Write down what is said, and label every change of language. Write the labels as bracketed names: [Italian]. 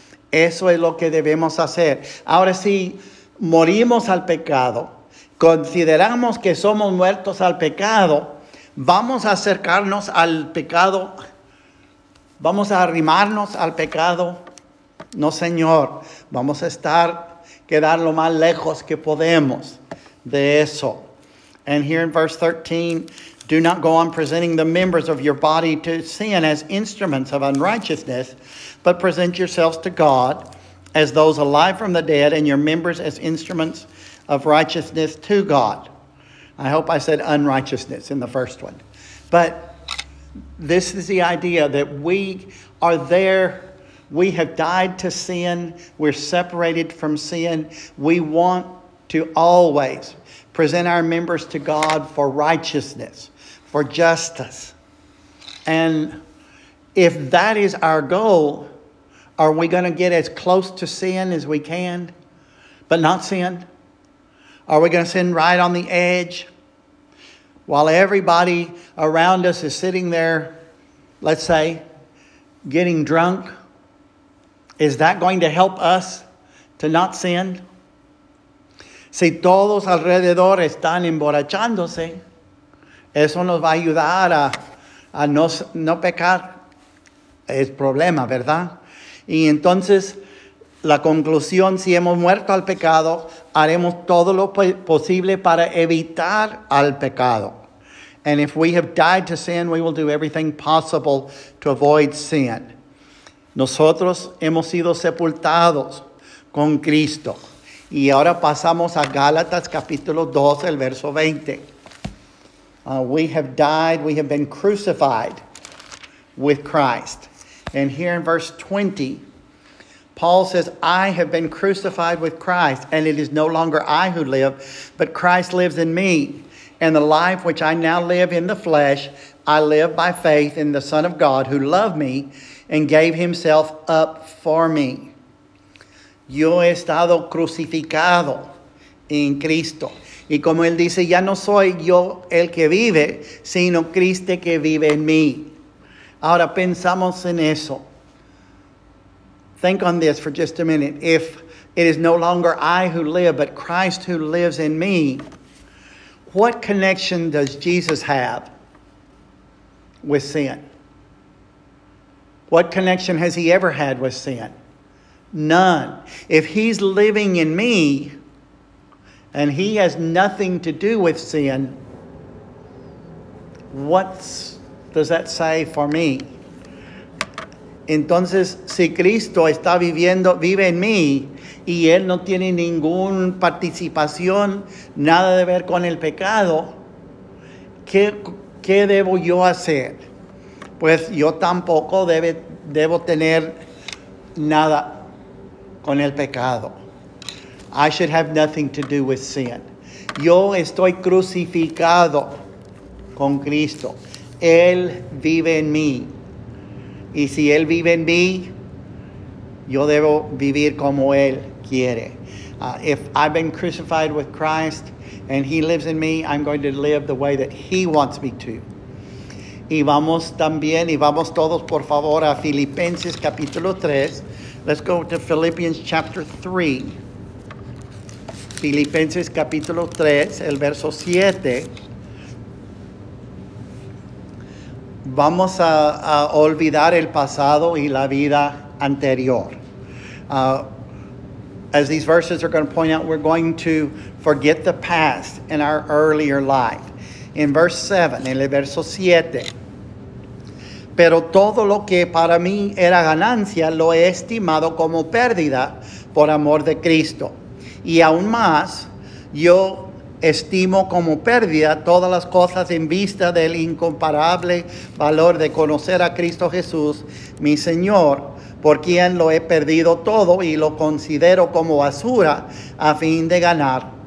[Spanish] Eso es lo que debemos hacer. Ahora, si morimos al pecado, consideramos que somos muertos al pecado, vamos a acercarnos al pecado, vamos a arrimarnos al pecado. No, Señor, vamos a estar, quedar lo más lejos que podemos de eso. [English] And here in verse 13, do not go on presenting the members of your body to sin as instruments of unrighteousness, but present yourselves to God as those alive from the dead and your members as instruments of righteousness to God. I hope I said unrighteousness in the first one. But this is the idea that we are there. We have died to sin. We're separated from sin. We want to always present our members to God for righteousness, for justice. And if that is our goal, are we going to get as close to sin as we can, but not sin? Are we going to sin right on the edge while everybody around us is sitting there, let's say, getting drunk? Is that going to help us to not sin? [Spanish] Si todos alrededor están emborrachándose, eso nos va a ayudar a no pecar. Es problema, ¿verdad? Y entonces, la conclusión, si hemos muerto al pecado, haremos todo lo posible para evitar al pecado. [English] And if we have died to sin, we will do everything possible to avoid sin. [Spanish] Nosotros hemos sido sepultados con Cristo. Y ahora pasamos a Gálatas capítulo 2, el verso 20. [English] We have died, we have been crucified with Christ. And here in verse 20, Paul says, I have been crucified with Christ, and it is no longer I who live, but Christ lives in me. And the life which I now live in the flesh, I live by faith in the Son of God who loved me and gave himself up for me. [Spanish] Yo he estado crucificado en Cristo. Y como él dice, ya no soy yo el que vive, sino Cristo que vive en mí. Ahora pensamos en eso. [English] Think on this for just a minute. If it is no longer I who live, but Christ who lives in me, what connection does Jesus have with sin? What connection has he ever had with sin? None. If he's living in me and he has nothing to do with sin, what does that say for me? [Spanish] Entonces, si Cristo está viviendo, vive en mí, y él no tiene ninguna participación, nada de ver con el pecado, ¿qué debo yo hacer? Pues yo tampoco debo tener nada con el pecado. [English] I should have nothing to do with sin. [Spanish] Yo estoy crucificado con Cristo. Él vive en mí. Y si Él vive en mí, yo debo vivir como Él quiere. [English] If I've been crucified with Christ and He lives in me, I'm going to live the way that He wants me to. [Spanish] Y vamos también, y vamos todos, por favor, a Filipenses capítulo 3. [English] Let's go to Philippians chapter 3. [Spanish] Filipenses capítulo 3, el verso 7. Vamos a olvidar el pasado y la vida anterior. [English] As these verses are going to point out, we're going to forget the past and our earlier life. In verse 7, [Spanish] en el verso 7. Pero todo lo que para mí era ganancia lo he estimado como pérdida por amor de Cristo. Y aún más, yo estimo como pérdida todas las cosas en vista del incomparable valor de conocer a Cristo Jesús, mi Señor, por quien lo he perdido todo y lo considero como basura a fin de ganar